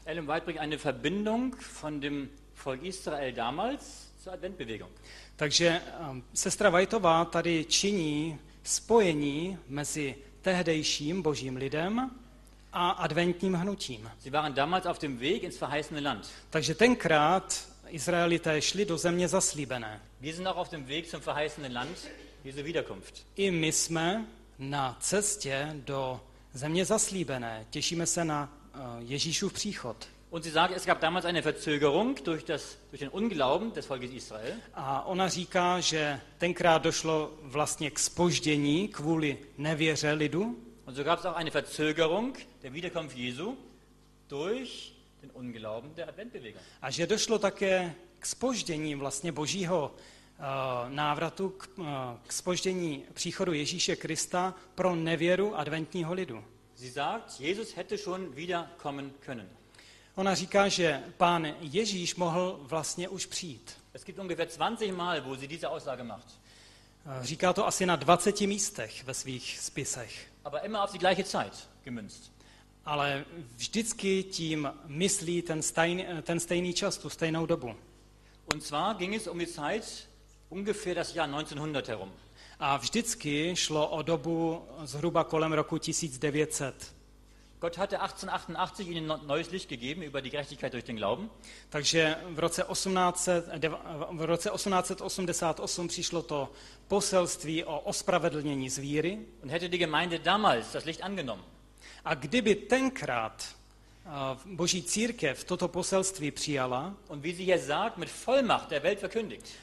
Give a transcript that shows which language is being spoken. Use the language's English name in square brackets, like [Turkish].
[German] Ellen White bringt eine Verbindung von dem Volk Israel damals zur Adventbewegung. [Czech] Takže sestra Whiteová tady činí spojení mezi tehdejším Božím lidem a adventním hnutím. [German] Sie waren damals auf dem Weg ins verheißene Land. [Czech] Takže tenkrát Izraelité šli do země zaslíbené. [German] Wir sind auch auf dem Weg zum verheißenen Land, Jesu Wiederkunft. [Czech] I my jsme na cestě do země zaslíbené. Těšíme se na Ježíšův příchod. [German] Und sie sagt, es gab damals eine Verzögerung durch den Unglauben des Volkes Israel. [Czech] A ona říká, že tenkrát došlo vlastně k zpoždění kvůli nevěře lidu. [German] Und so gab es auch eine Verzögerung der Wiederkunft Jesu durch den Unglauben der Adventbewegung. [Czech] A že došlo také k zpoždění vlastně Božího návratu, k zpoždění příchodu Ježíše Krista pro nevěru adventního lidu. [German] Sie sagt, Jesus hätte schon wiederkommen können. [Czech] Ona říká, že Pán Ježíš mohl vlastně už přijít. [German] Es gibt ungefähr 20 Mal, wo sie diese Aussage macht. [Czech] Říká to asi na 20 místech ve svých spisech. [German] Aber immer auf die gleiche Zeit gemünzt. [Czech] Ale vždycky tím myslí ten stejný čas, tu stejnou dobu. [German] Und zwar ging es um die Zeit ungefähr das Jahr 1900 herum. [Czech] A vždycky šlo o dobu zhruba kolem roku 1900. [German] Gott hatte 1888 ihnen neues Licht gegeben über die Gerechtigkeit durch den Glauben. [Czech] Takže v roce 1888 přišlo to poselství o ospravedlnění z víry. [German] Und hätte die Gemeinde damals das Licht angenommen. [Czech] A kdyby tenkrát Boží církev toto poselství přijala, [German] und wie sie hier sagt, mit Vollmacht der Welt verkündigt.